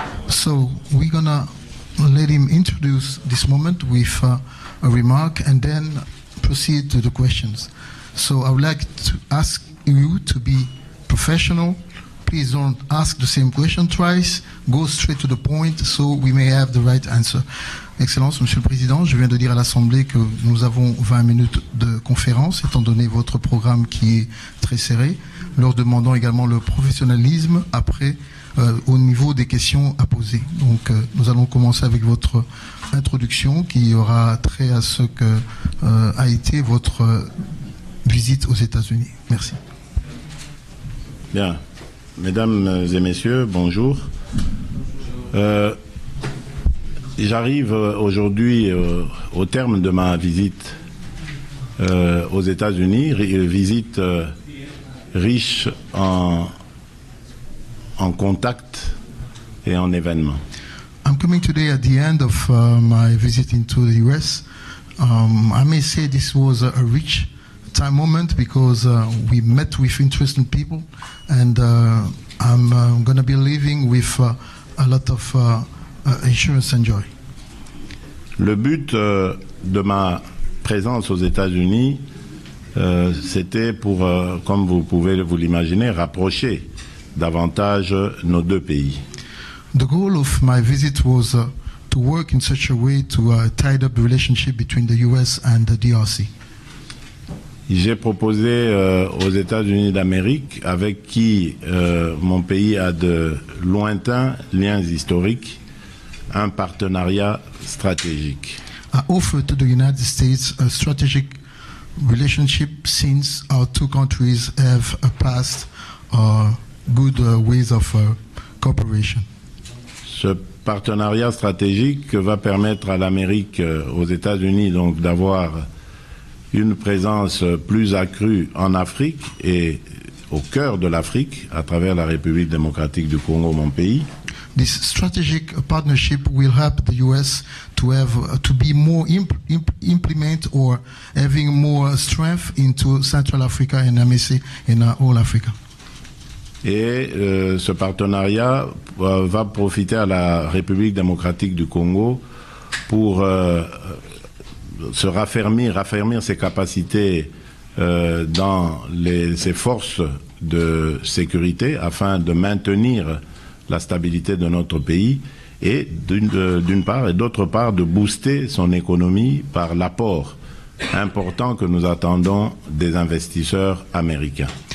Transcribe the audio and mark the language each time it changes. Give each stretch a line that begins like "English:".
English: So we're going to let him introduce this moment with a remark and then proceed to the questions. So I would like to ask you to be professional. Please don't ask the same question twice. Go straight to the point so we may have the right answer.
French: Excellence, Monsieur le Président, je viens de dire à l'Assemblée que nous avons 20 minutes de conférence, étant donné votre programme qui est très serré, leur demandant également le professionnalisme après au niveau des questions à poser. Donc nous allons commencer avec votre introduction qui aura trait à ce que a été votre visite aux États-Unis. Merci. Bien. Mesdames et messieurs, bonjour. J'arrive aujourd'hui au terme de ma visite aux États-Unis, visite riche en contacts et en événements.
English: I'm coming today at the end of my visit into the US. I may say this was a rich time moment because we met with interesting people and I'm going to be leaving with a lot of assurance and joy.
French: Le but de ma présence aux États-Unis, c'était pour, comme vous pouvez vous l'imaginer, rapprocher davantage nos deux pays.
English: The goal of my visit was to work in such a way to tie up the relationship between the US and the DRC.
French: J'ai proposé aux États-Unis d'Amérique, avec qui mon pays a de lointains liens historiques, un partenariat stratégique.
English: I offer to the United States a strategic relationship since our two countries have a past good ways of cooperation.
French: Ce partenariat stratégique va permettre à l'Amérique, aux États-Unis, donc d'avoir une présence plus accrue en Afrique et au cœur de l'Afrique, à travers la République démocratique du Congo, mon pays.
English: This strategic partnership will help the U.S. to have to be more implement or having more strength into Central Africa and MSC and all Africa.
French: Et ce partenariat va profiter à la République démocratique du Congo pour se raffermir ses capacités dans ses forces de sécurité afin de maintenir la stabilité de notre pays et d'une part et d'autre part de booster son économie par l'apport important que nous attendons des investisseurs américains.